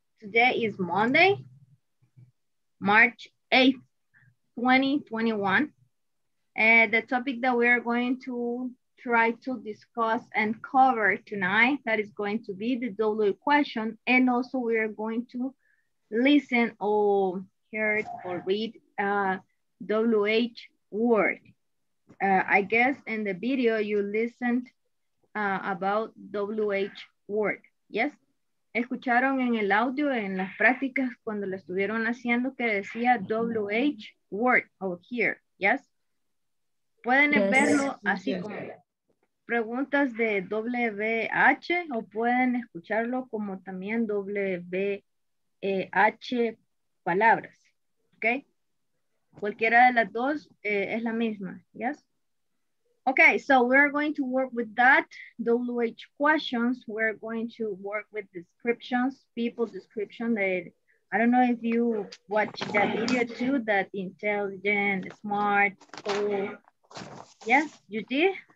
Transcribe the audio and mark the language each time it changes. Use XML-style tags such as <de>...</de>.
<en>Today is Monday, March 8th, 2021. And the topic that we are going to try to discuss and cover tonight, that is going to be the W question, and also we are going to listen or hear or read a WH word. I guess in the video you listened about WH word, yes?</en> <es>Escucharon en el audio, en las prácticas, cuando lo estuvieron haciendo, que decía</es> <en>WH word over here, yes?</en> <es>Pueden yes. verlo así yes. como preguntas de WH o pueden escucharlo como también WH palabras, ¿ok? Cualquiera de las dos es la misma, ¿yes?</es> <en>Ok, so we're going to work with that, WH questions, we're going to work with descriptions, people description, that, I don't know if you watch that video too, that intelligent, smart, cool, yes, you did?</en>